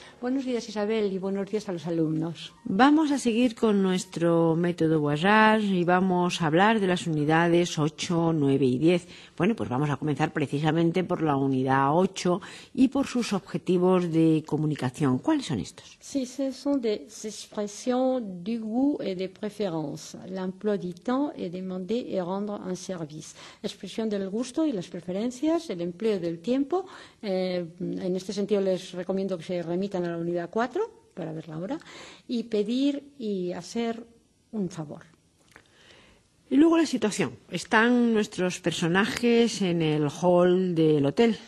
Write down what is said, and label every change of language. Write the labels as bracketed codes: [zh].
[es] Buenos días, Isabel, y buenos días a los alumnos. Vamos a seguir con nuestro método Voyage y vamos a hablar de las unidades 8, 9 y 10. Bueno, pues vamos a comenzar precisamente por la unidad 8 y por sus objetivos de comunicación. ¿Cuáles son estos? [fr] Sí, ce sont des expressions du goût et des préférences. L'emploi du temps est demander et rendre un service. [es] Expresión del gusto y las preferencias, el empleo del tiempo. En este sentido les recomiendo que se remitan a la unidad 4 para verla ahora. Y pedir y hacer un favor. Y luego la situación. ¿Están nuestros personajes en el hall del hotel?